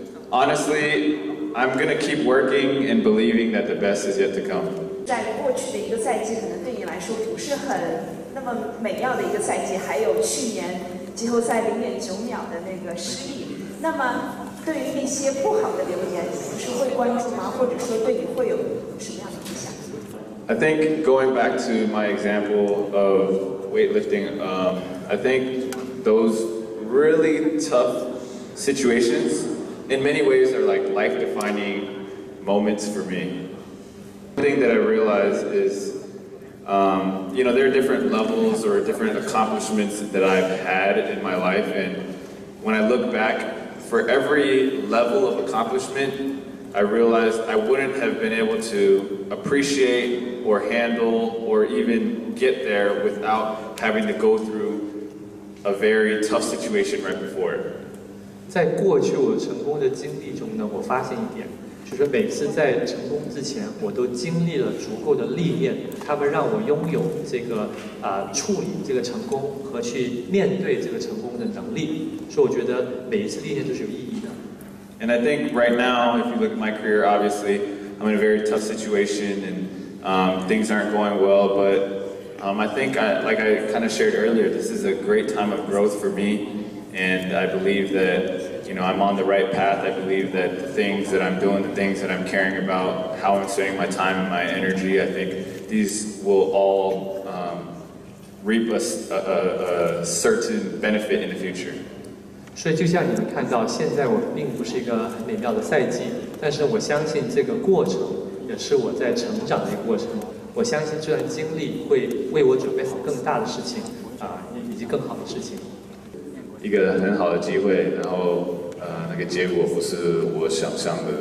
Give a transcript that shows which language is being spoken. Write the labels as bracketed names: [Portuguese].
[English] Honestly, I'm going to keep working and believing that the best is yet to come. [Chinese] 在过去的一个赛季，可能对你来说不是很那么美妙的一个赛季，还有去年季后赛0.9秒的那个失利。那么，对于一些不好的留言，你是会关注吗？或者说对你会有什么样的影响？ [English] I think going back to my example of weightlifting, I think those. Really tough situations in many ways are like life defining moments for me. One thing that I realize is, there are different levels or different accomplishments that I've had in my life. And when I look back, for every level of accomplishment, I realize I wouldn't have been able to appreciate or handle or even get there without having to go through. A very tough situation right before. [Chinese] 在过去我成功的经历中呢，我发现一点，就是每次在成功之前，我都经历了足够的历练，他们让我拥有这个处理这个成功和去面对这个成功的能力。所以我觉得每一次历练都是有意义的。 [English] And I think right now, if you look at my career, obviously I'm in a very tough situation and things aren't going well, but. I think, like I kind of shared earlier, this is a great time of growth for me, and I believe that, I'm on the right path. I believe that the things that I'm doing, the things that I'm caring about, how I'm spending my time and my energy, I think these will all reap us a certain benefit in the future. [Chinese] 所以就像你们看到，现在我并不是一个很美妙的赛季，但是我相信这个过程也是我在成长的一个过程。我相信这段经历会为我准备好更大的事情，以及更好的事情。一个很好的机会，然后那个结果不是我想象的。